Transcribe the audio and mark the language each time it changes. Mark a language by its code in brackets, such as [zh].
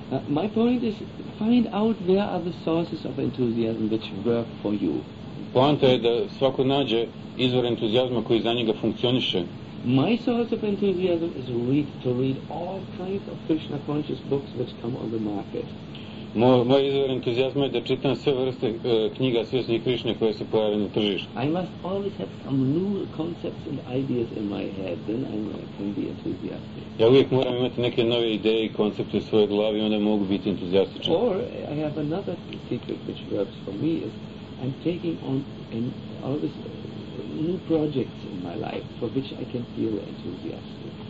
[en] My point is, find out where are the sources of enthusiasm which work for you. [bs] Poanta je da svako nađe izvor entuzijazma koji za njega funkcioniše. [en] My source of enthusiasm is to read all kinds of Krishna conscious books which come on the market. [bs] Moj izvor entuzijazma je da čitam sve vrste knjiga svjesnih Krišne koje se pojave na tržištu. [en] I must always have some new concepts and ideas in my head, then I can be enthusiastic. [bs] Ja uvijek moram imati neke nove ideje i koncepte u svojoj glavi, onda mogu biti entuzijastičan. [en] Or, I have another secret which works for me, is I'm taking on all these new projects in my life for which I can feel enthusiastic.